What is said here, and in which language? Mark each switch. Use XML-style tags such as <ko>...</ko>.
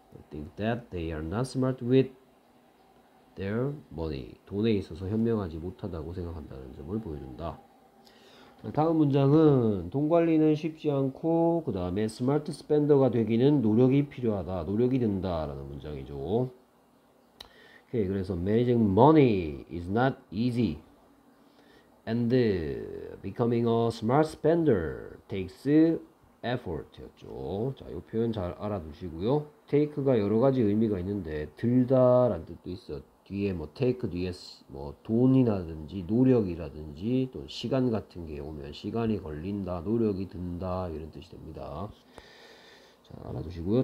<en>I think that they are not smart with their money.</en> <ko>돈에 있어서 현명하지 못하다고 생각한다는 점을 보여준다. 다음 문장은 돈 관리는 쉽지 않고 그 다음에 smart spender가 되기는 노력이 필요하다. 노력이 든다 라는 문장이죠.</ko> <en>Okay,</en> <ko>그래서</ko> <en>managing money is not easy. And becoming a smart spender takes effort 였죠.</en> <ko>자, 요 표현 잘 알아두시고요. take가 여러 가지 의미가 있는데, 들다 라는 뜻도 있어. 뒤에 뭐 take 뒤에 뭐 돈이라든지 노력이라든지 또 시간 같은 게 오면 시간이 걸린다, 노력이 든다 이런 뜻이 됩니다. 자, 알아두시고요.</ko>